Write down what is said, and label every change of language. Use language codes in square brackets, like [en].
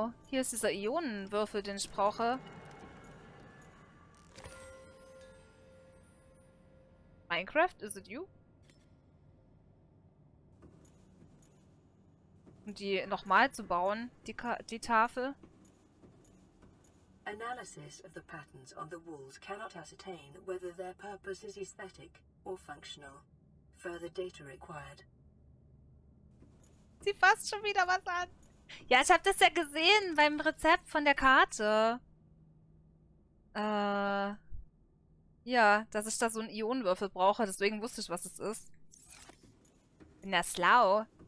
[de] Hier ist dieser Ionenwürfel, den ich brauche. [en] Minecraft, is it you? [de] Um die nochmal zu bauen, die Tafel. [en] Analysis of the patterns on the walls cannot ascertain whether their purpose is aesthetic or functional. Further data required. [de] Sie fasst schon wieder was an. Ja, ich habe das ja gesehen beim Rezept von der Karte. Ja, dass ich da so einen Ionenwürfel brauche, deswegen wusste ich, was es ist. Bin ja schlau.